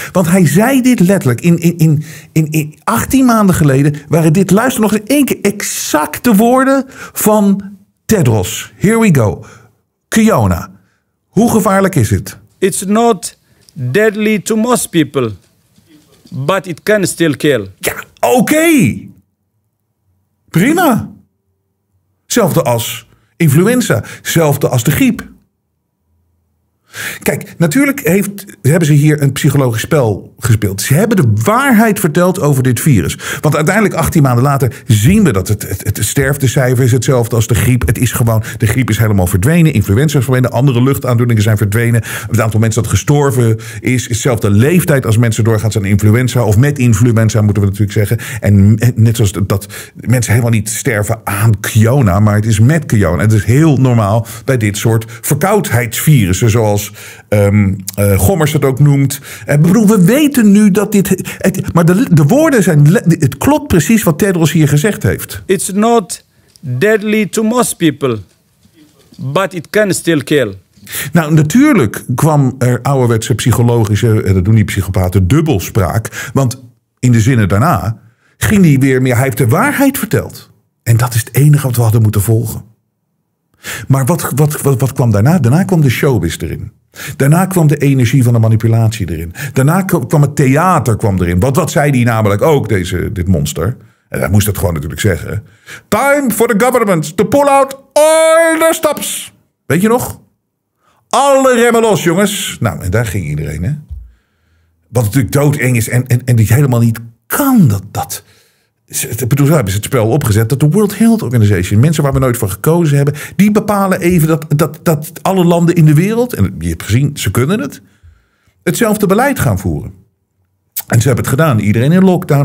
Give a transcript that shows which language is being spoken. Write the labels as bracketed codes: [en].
[nl] Want hij zei dit letterlijk. In 18 maanden geleden waren dit, luister nog eens één keer, exacte woorden van Tedros. [en] Here we go. [nl] Kiona, hoe gevaarlijk is het? [en] It's not deadly to most people, but it can still kill. [nl] Ja, oké. Prima. Zelfde als influenza, zelfde als de griep. Kijk, natuurlijk hebben ze hier een psychologisch spel gespeeld. Ze hebben de waarheid verteld over dit virus. Want uiteindelijk, 18 maanden later, zien we dat het sterftecijfer is hetzelfde als de griep. Het is gewoon, de griep is helemaal verdwenen. Influenza is verdwenen, andere luchtaandoeningen zijn verdwenen. Het aantal mensen dat gestorven is, hetzelfde leeftijd als mensen doorgaan aan influenza. Of met influenza, moeten we natuurlijk zeggen. En net zoals dat mensen helemaal niet sterven aan corona, maar het is met corona. Het is heel normaal bij dit soort verkoudheidsvirussen, zoals Gommers het ook noemt. We weten nu dat dit. Maar de woorden zijn. Het klopt precies wat Tedros hier gezegd heeft. [en] It's not deadly to most people, but it can still kill. [nl] Nou, natuurlijk kwam er ouderwetse psychologische. Dat doen die psychopaten, dubbelspraak. Want in de zinnen daarna ging hij weer meer. Hij heeft de waarheid verteld. En dat is het enige wat we hadden moeten volgen. Maar wat kwam daarna? Daarna kwam de showbiz erin. Daarna kwam de energie van de manipulatie erin. Daarna kwam het theater kwam erin. Want wat zei die namelijk ook, dit monster? En hij moest dat gewoon natuurlijk zeggen. [en] Time for the government to pull out all the stops. [nl] Weet je nog? Alle remmen los, jongens. Nou, en daar ging iedereen, hè? Wat natuurlijk doodeng is en die helemaal niet kan dat. Bedoel, zo hebben ze het spel opgezet dat de World Health Organization, mensen waar we nooit voor gekozen hebben, die bepalen even dat alle landen in de wereld, en je hebt gezien, ze kunnen het, hetzelfde beleid gaan voeren. En ze hebben het gedaan. Iedereen in lockdown.